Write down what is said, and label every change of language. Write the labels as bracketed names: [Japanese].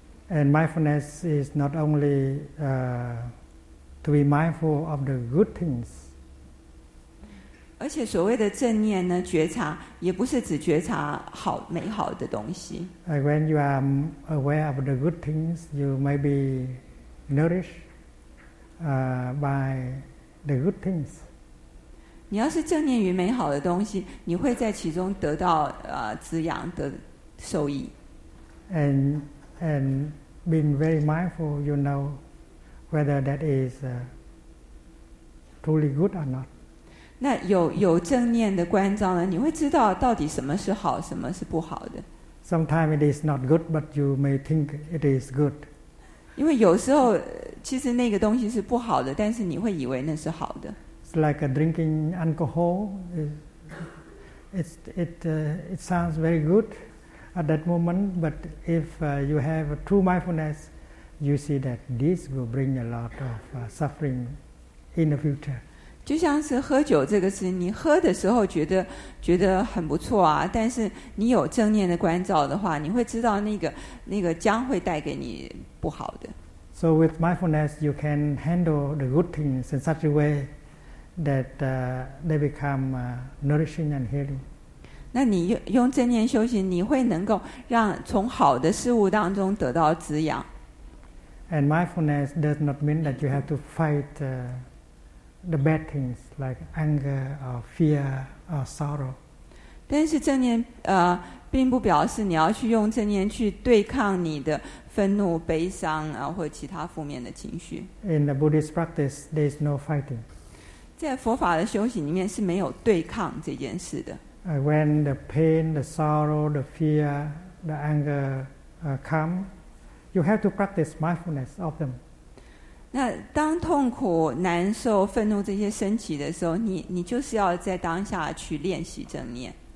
[English] And mindfulness is not only to be mindful of the good things. [Chinese] 而且所谓的正念呢，觉察也不是只觉察好美好的东西。 [English] When you are aware of the good things, you may be nourished by the good things. [Chinese] 你要是正念于美好的东西，你会在其中得到滋养，得受益。 [English] And being very mindful, you know whether that is truly good or not. [Chinese] 那有正念的观照呢，你会知道到底什么是好，什么是不好的。 [English] Sometimes it is not good, but you may think it is good. [Chinese] 因为有时候其实那个东西是不好的，但是你会以为那是好的。 [English] It's like a drinking alcohol. It sounds very good at that moment, but if you have a true mindfulness, you see that this will bring a lot of suffering in the future. [Chinese] 就像是喝酒这个事，你喝的时候觉得很不错啊，但是你有正念的观照的话，你会知道那个将会带给你不好的。 [English] So with mindfulness, you can handle the good things in such a way that they become nourishing and healing. [Chinese] 那你用正念修行，你会能够让从好的事物当中得到滋养。 [English] And mindfulness does not mean that you have to fight. The bad things like anger or fear or sorrow. [Chinese] 但是正念并不表示你要去用正念去对抗你的愤怒、悲伤啊，或其他负面的情绪。 [English] In the Buddhist practice, there is no fighting. [Chinese] 在佛法的修行里面是没有对抗这件事的。 [English] When the pain, the sorrow, the fear, the anger come, you have to practice mindfulness of them. [Chinese] 那当痛苦、难受、愤怒这些升起的时候，你就是要在当下去练习正念。